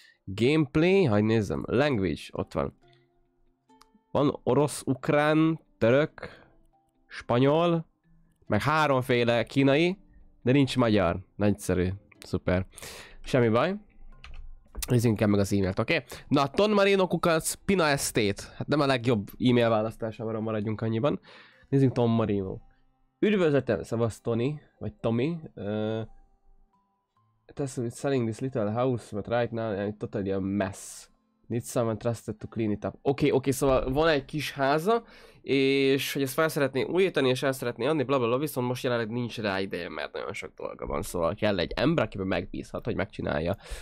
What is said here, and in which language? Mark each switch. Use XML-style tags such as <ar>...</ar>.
<hu>Gameplay, hagyd nézzem. Language, ott van. Van orosz, ukrán, török, spanyol, meg háromféle kínai, de nincs magyar. Nagyszerű. Szuper. Semmi baj. Nézzünk el meg az e-mailt, oké? Na, Ton Marino kukac, Pina Estate. Hát nem a legjobb e-mail választásával maradjunk annyiban. Nézzünk Ton Marino. Üdvözletem, szavaz Tony, vagy Tommy. Tesszük,</hu> <en>selling this little house, but right now I'm totally a mess. Need someone trusted to clean it up.</en> <hu>Oké, szóval van egy kis háza, és hogy ezt fel szeretné újítani, és el szeretné adni, blablabla, viszont most jelenleg nincs rá ideje, mert nagyon sok dolga van, szóval kell egy ember, akiben megbízhat, hogy megcsinálja.</hu>